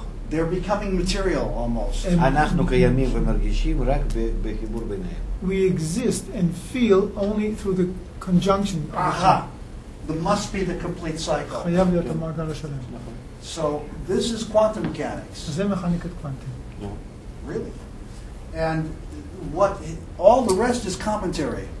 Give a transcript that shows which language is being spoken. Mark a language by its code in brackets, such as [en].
[en] They're becoming material almost. [he] אנחנו קיימים ומרגישים רק בחיבור ביניהם. [en] We exist and feel only through the conjunction. Aha! There must be the complete cycle. [he] חייב להיות המעגל השלם. [en] So this is quantum mechanics. [he] זה מכניקת קוונטים. [en] Really? And what all the rest is commentary.